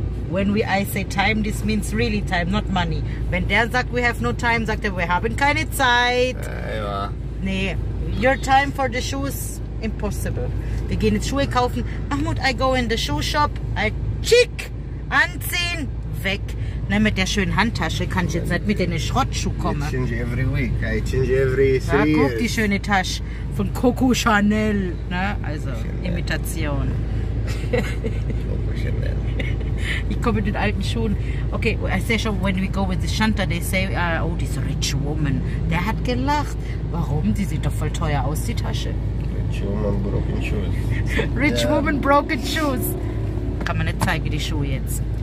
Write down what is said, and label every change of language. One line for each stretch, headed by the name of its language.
English: When I say time, this means really time, not money.
German: Wenn der sagt,
English: we have no time,
German: sagt er, we haben keine Zeit.
English: Nee, your time for the shoes, impossible.
German: Wir gehen jetzt Schuhe kaufen.
English: Mahmoud, I go in the shoe shop. I chick,
German: anziehen, weg. Ne, mit der schönen Handtasche kann ich jetzt nicht mit in den Schrottschuh kommen.
English: I change every week. I change every three
German: years. Guck, die schöne Tasche von Coco Chanel. Ne? Also, Chanel. Imitation. Coco Chanel. Ich komme mit den alten Schuhen.
English: Okay, I say schon, when we go with the Shanta, they say, oh, this rich woman.
German: Der hat gelacht. Warum? Die sieht doch voll teuer aus, die Tasche.
English: Rich woman, broken shoes. Rich woman, broken shoes.
German: Kann man nicht zeigen, die Schuhe jetzt.